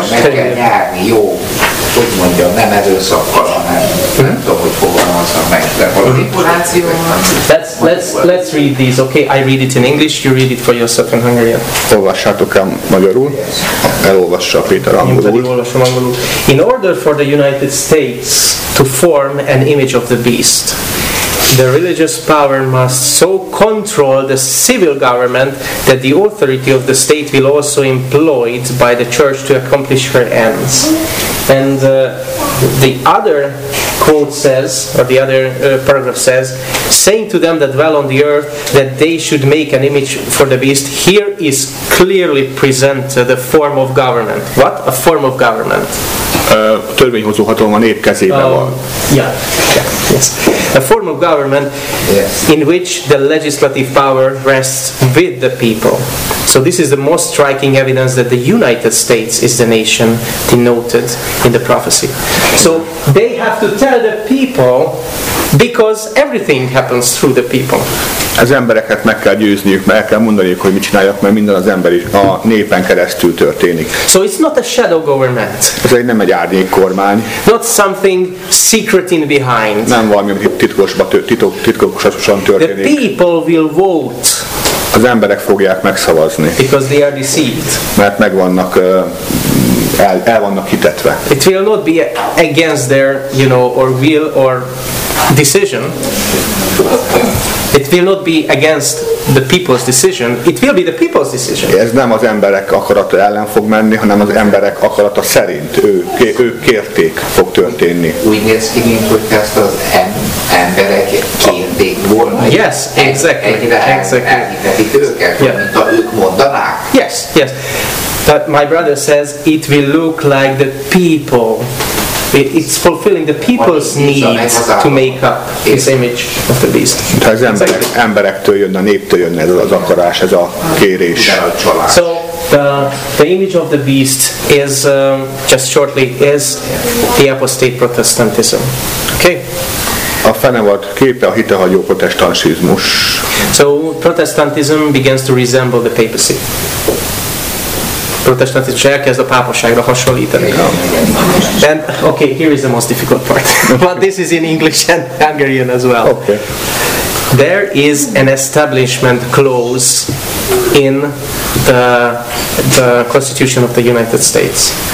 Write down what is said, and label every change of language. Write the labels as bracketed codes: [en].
[hu] Meg kell nyerni, jó. Hogy mondja, nem erőszakkal, hanem nem tudom, hogy fogalmazza meg, de valami kuráció. [en] Let's read these, okay? I read it in English, you read it for yourself in Hungarian. [hu] Olvassátok el magyarul, elolvassa Péter angolul. [en] In order for the United States to form an image of the beast, the religious power must so control the civil government that the authority of the state will also be employed by the church to accomplish her ends. And the other quote says, or the other paragraph says, saying to them that dwell on the earth that they should make an image for the beast, here is clearly presented the form of government. What? A form of government. [hu] Törvényhozó hatalom a nép kezében van. [en] Yes. A form of government, yes. In which the legislative power rests with the people. So this is the most striking evidence that the United States is the nation denoted in the prophecy. So they have to tell the people, because everything happens through the people. [hu] Az embereket meg kell győzniük, meg kell mondaniuk, hogy mit csináljak, mert minden az ember is a népen keresztül történik. [en] So it's not a shadow government. [hu] Ez egy, nem egy árnyék kormány. [en] Not something secret in behind. [hu] Nem valami, ami titkosan történik. [en] The people will vote. [hu] Az emberek fogják megszavazni. [en] Because they are deceived. [hu] Mert megvannak, el vannak hitetve. [en] It will not be against their, you know, or will or decision. It will not be against the people's decision. It will be the people's decision. [hu] Ez nem az emberek akarata ellen fog menni, hanem az emberek akarata szerint ők kérték fog történni. Úgy néz ki, mintha ezt az emberek kérték volna. [en] Yes, exactly. [hu] Elhitetik őket, mint ha ők mondanák. [en] Yes, yes. But my brother says it will look like the people. It's fulfilling the people's needs to make up his image of the beast. [hu] Tehát az emberektől jön, a néptől jön ez az akarás, ez a kérés. [en] So the image of the beast is just shortly is the apostate Protestantism. Okay. [hu] A fennevad képe a hitehagyó protestantizmus. [en] So Protestantism begins to resemble the papacy. [hu] Protestantism is elkezd a pápaságra hasonlítani. [en] And okay, here is the most difficult part. But this is in English and Hungarian as well. Okay. There is an establishment clause in the Constitution of the United States.